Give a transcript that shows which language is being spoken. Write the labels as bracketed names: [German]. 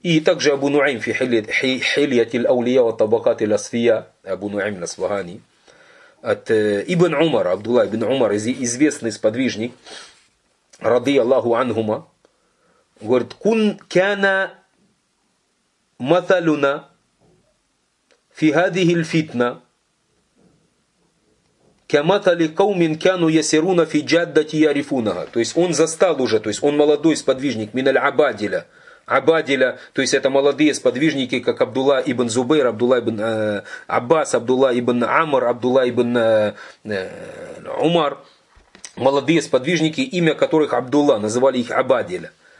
[Russian] И также Абу Нуим фи хилиятиль аулия ва табакатиль асфия, Абу Нуим Насфахани, от Ибн Умара, Абдулла Ибн Умар, известный сподвижник, ради Аллаху Ангума, говорит, [Arabic] «Кун кяна маталюна». في هذه الفتنة كمثل قوم كانوا يسيرون في جادة يعرفونها. [Russian] То есть он застал уже, то есть он молодой сподвижник, миналь Абадиля. Абадиля, то есть это молодые сподвижники, как Абдулла ибн Зубейр, Абдулла ибн Аббас, Абдулла ибн Амр, Абдулла ибн Умар. Молодые сподвижники, имя которых Абдулла, называли их Абадиля.